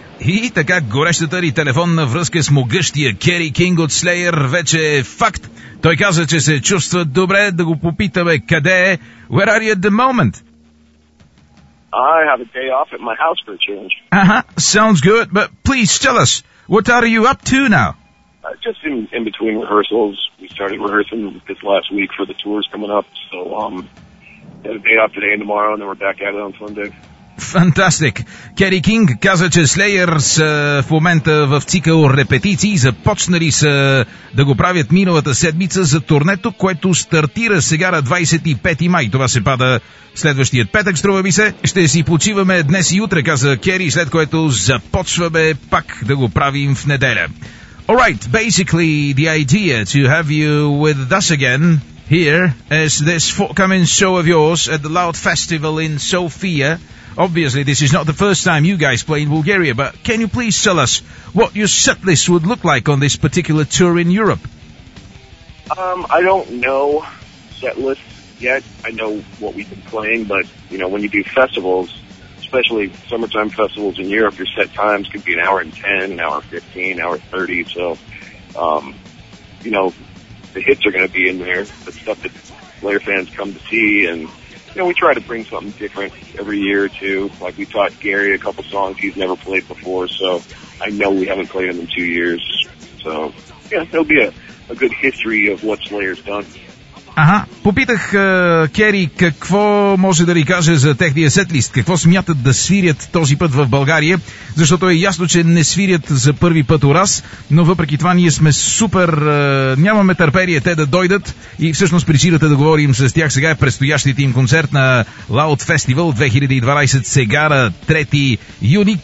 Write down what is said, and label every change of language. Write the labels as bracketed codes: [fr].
[bg] И така горещата ни телефонна връзка с могъщия Кери Кинг от Slayer вече е факт. Той каза, че се чувства добре, да го попитаме къде е. [en] Where are you at the moment? I have a day off at my house for a change. Uh-huh, sounds good, but please tell us, what are you up to now? Just in between rehearsals. We started rehearsing this last week for the tours coming up, so had a day off today and tomorrow, and then we're back at it on Sunday. Fantastic. [bg] Кери Кинг каза, че Slayer са в момента в цикъл репетиции, започнали са да го правят миналата седмица за турнето, което стартира сега на 25 май. Това се пада следващият петък, струва ми се. Ще си почиваме днес и утре, каза Кери, след което започваме пак да го правим в неделя. [en] Alright, basically the idea to have you with us again here is this forthcoming show of yours at the Loud Festival in Sofia. Obviously, this is not the first time you guys play in Bulgaria, but can you please tell us what your set list would look like on this particular tour in Europe? I don't know set list yet. I know what we've been playing, but, you know, when you do festivals, especially summertime festivals in Europe, your set times could be an hour and 10, an hour 15, an hour 30, so, you know, the hits are going to be in there, the stuff that Slayer fans come to see, and... You know, we try to bring something different every year or two. Like, we taught Gary a couple songs he's never played before, so I know we haven't played them in 2 years. So, yeah, there'll be a good history of what Slayer's done. [bg] Аха, попитах Кери какво може да ни каже за техния сетлист, какво смятат да свирят този път в България, защото е ясно, че не свирят за първи път у раз, но въпреки това ние сме супер, нямаме търперие те да дойдат и всъщност причината да говорим с тях сега е предстоящите им концерт на Loud Festival 2012 сега на 3 юни.